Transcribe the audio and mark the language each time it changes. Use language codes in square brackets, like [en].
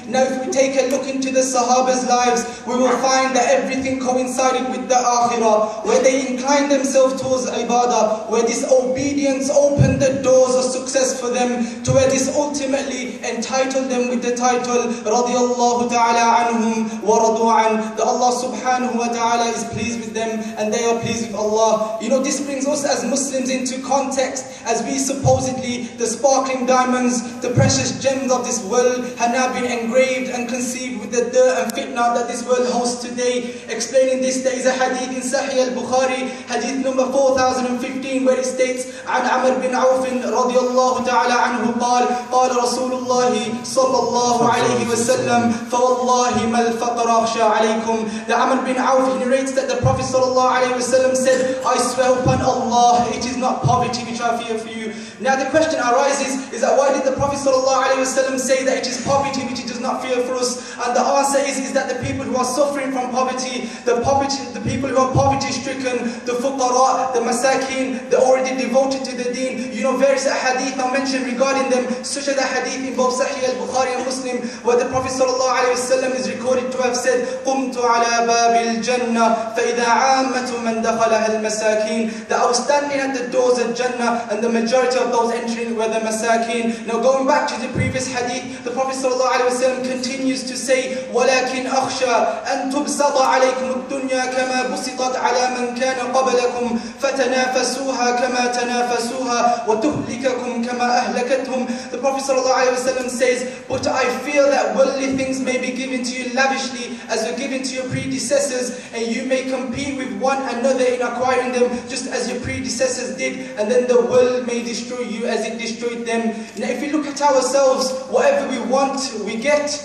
[en] Now, if we take a look into the Sahaba's lives, we will find that everything coincided with the akhirah, where they inclined themselves towards ibadah, where this obedience opened the doors of success for them, to where this ultimately entitled them with the title radiyallahu ta'ala anhum wa radu an, that Allah subhanahu wa ta'ala is pleased with them and they are pleased with Allah. You know, this brings us as Muslims into context, as we supposedly the sparkling diamonds, the precious gems of this world, have now been engraved and conceived with the dirt and fitna that this world hosts today. Explaining this, there is a hadith in Sahih al-Bukhari, hadith number 4015, where it states, [ar] عن عمر بن عوف رضي الله تعالى عنه قال قال رسول الله صلى الله عليه وسلم فوالله ما الفقر أخشى عليكم. [en] The Amr bin Auf narrates that the Prophet sallallahu alaihi wasallam said, I swear upon Allah, it is not poverty which I fear for you. Now the question arises is that why did the Prophet sallallahu alaihi wasallam say that it is poverty which he does not fear for us? And the answer is that the people who are suffering from poverty, the people who are poverty stricken, the fuqara, the masakin, the already devoted to the deen, you know, various hadith are mentioned regarding them, such as the hadith in both Sahih al-Bukhari and Muslim, where the Prophet sallallahu alaihi wasallam is recorded to have said, [ar] قُمْتُ عَلَى بَابِ الْجَنَّةِ فَإِذَا عَامَّةُ مَنْ دَخَلَهَا الْمَسَاكِينَ, [en] that I was standing at the doors of Jannah and the majority of those entering were the masakin. [ar] Now going back to the previous hadith, the Prophet sallallahu alaihi wasallam continues to say, وَلَكِنْ أَخْشَى أَنْ تُبْسَطَ عَلَيْكُمُ الدُّنْيَا كَمَا بُسِطَتْ عَلَى مَنْ كَانَ قَبْلَكُمْ فَتَنَافَسُوهَا كَمَا تَنَافَسُوهَا وَتُهْلِكَكُمْ كَمَا أَهْلَكَتْهُمْ. [en] The Prophet sallallahu alaihi wasallam says, but I feel that worldly things may be given to you lavishly as were given to your predecessors, and you may compete with one another in acquiring them just as your predecessors did, and then the world may destroy you as it destroyed them. Now if we look at ourselves, whatever we want, we get.